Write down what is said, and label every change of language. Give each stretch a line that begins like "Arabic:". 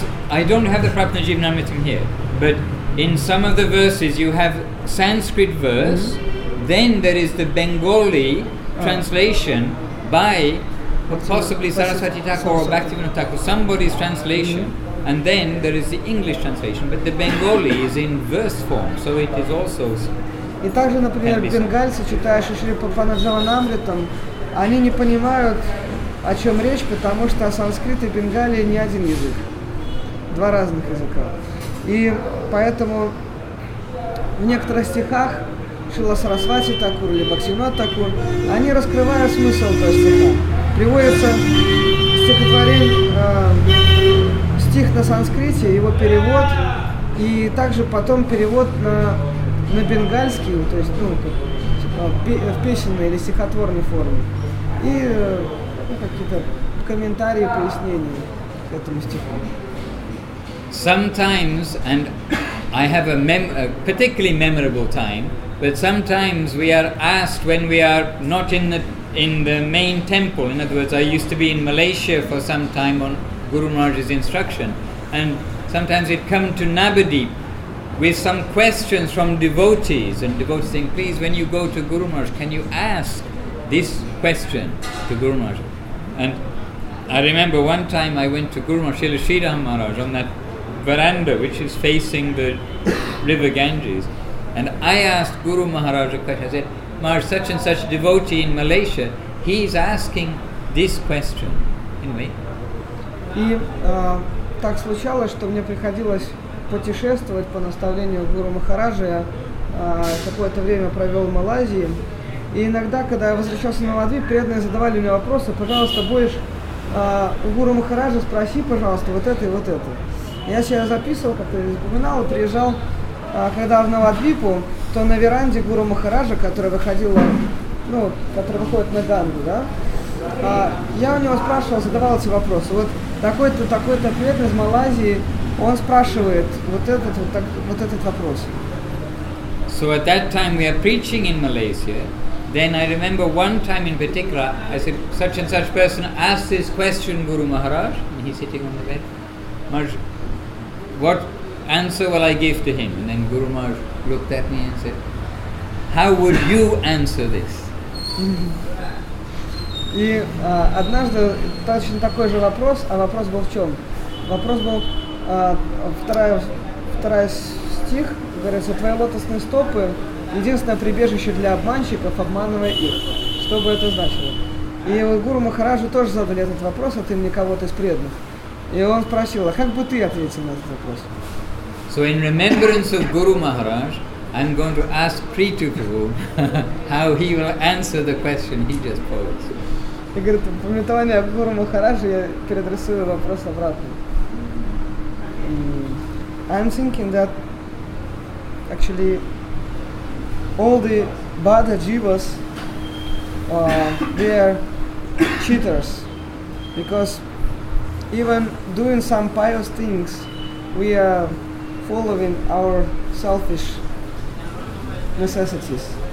English: Because I don't have the Prapanna Jivanamritam here. But in some of the verses, you have Sanskrit verse. Mm-hmm. Then there is the Bengali translation by possibly Saraswati Thakur or Bhaktivinoda Thakur, somebody's translation. Mm-hmm. And then there is the English translation. But the Bengali is in verse form, so it is also.
Russian: И также, например, бенгальцы, читающие Шри Прапанджаванамритам, они не понимают, о чем речь, потому что санскрит и бенгали не один язык. Два разных языка. И поэтому в некоторых стихах Шрила Сарасвати Такур или Бхактивинода Такур, они раскрывают смысл этого стиха. Приводится стихотворение, стих на санскрите, его перевод, и также потом перевод на бенгальский, то есть, ну, в песенной или стихотворной форме. И какие-то комментарии, пояснения к этому стиху.
English: Sometimes, and I have a particularly memorable time, but sometimes we are asked when we are not in the main temple, in other words, I used to be in Malaysia for some time on Guru Maharaj's instruction, and sometimes we'd come to Nabadeep with some questions from devotees, and devotees saying, please, when you go to Guru Maharaj, can you ask this question to Guru Maharaj? And I remember one time I went to Guru Maharaj, Srila Sridhar Maharaj, on that veranda which is facing the river Ganges, and I asked Guru Maharaj a question. I said, Maharaj, such and such devotee in Malaysia, he's asking this question. Anyway.
Russian: И так случалось, что мне приходилось путешествовать по наставлению Гуру Махараджа. Я какое-то время провел в Малайзии. И иногда, когда я возвращался на Малайзию, преданные задавали мне вопросы. Пожалуйста, у Гуру Махараджа спроси, пожалуйста, вот это и вот это. Я себя записывал, как-то запоминал, и приезжал, когда в Навадвипу, то на веранде Гуру Махараджа, который выходит на Гангу, да, я у него спрашивал, задавал эти вопросы. Вот такой-то преданный из Малайзии он спрашивает вот этот вот так вот этот вопрос.
English: So at that time we are preaching in Malaysia. Then I remember one time in particular, I said, such and such person asked this question, Guru Maharaj, and he's sitting on the bed. Maharaj, what answer will I give to him? And then Guru Maharaj looked at me and said, how would you answer this?
Russian: И однажды точно такой же вопрос, а вопрос был в чем? Вопрос был вторая стих, говорится, твои лотосные стопы. Единственное прибежище для обманщиков, обманывая их. Что бы это значило? И Гуру Махараджу тоже задали этот вопрос от имени кого-то из преданных. И он спросил, а как бы ты ответил на этот вопрос?
English: So in remembrance of Guru Maharaj, I'm going to ask Preetu Prabhu how he will answer the question he just posed.
Russian: И говорит, пометование Гуру Махараджу, я переадресую вопрос обратно.
English: I'm thinking that actually all the Bada Jivas, they are cheaters, because even doing some pious things, we are following our selfish necessities.